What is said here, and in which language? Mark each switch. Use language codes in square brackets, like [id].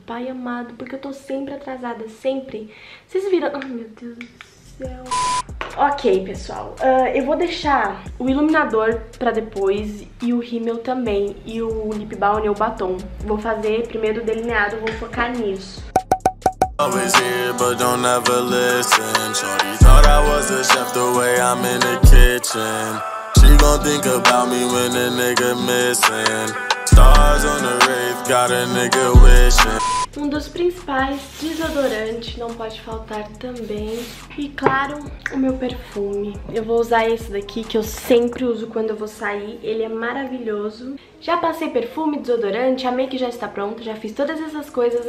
[pt] Pai amado, porque eu tô sempre atrasada, sempre. Vocês viram... Ai, meu Deus do céu. Ok, pessoal. Eu vou deixar o iluminador pra depois e o rímel também. E o lip balm e o batom. Vou fazer primeiro o delineado, vou focar nisso. [en] Always here, but don't ever listen. Shorty thought I was a chef the way I'm in the kitchen. She gon' think about me when a nigga missing. Stars on the wraith, got a nigga wishing. [pt] Um dos principais, desodorante, não pode faltar também. E claro, o meu perfume. Eu vou usar esse daqui, que eu sempre uso quando eu vou sair. Ele é maravilhoso. Já passei perfume, desodorante, a make já está pronta, já fiz todas essas coisas.